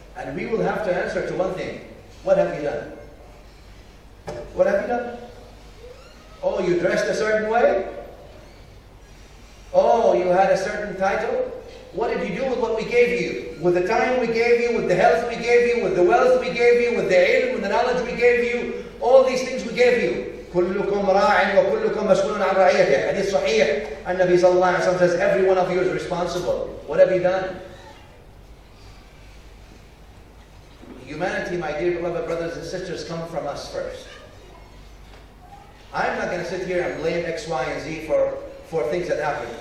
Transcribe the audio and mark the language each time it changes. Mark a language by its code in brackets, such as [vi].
[en] And we will have to answer to one thing. What have you done? What have you done? Oh, you dressed a certain way? Oh, you had a certain title? What did you do with what we gave you? With the time we gave you, with the health we gave you, with the wealth we gave you, with the ilm, with the knowledge we gave you, all these things we gave you. [ar] كلكم راع وكلكم مسؤول عن رعيته. [en] Hadith صحيح. النبي صلى الله عليه وسلم says, every one of you is responsible. What have you done? Humanity, my dear beloved brothers and sisters, come from us first. I'm not going to sit here and blame X, Y, and Z for things that happen.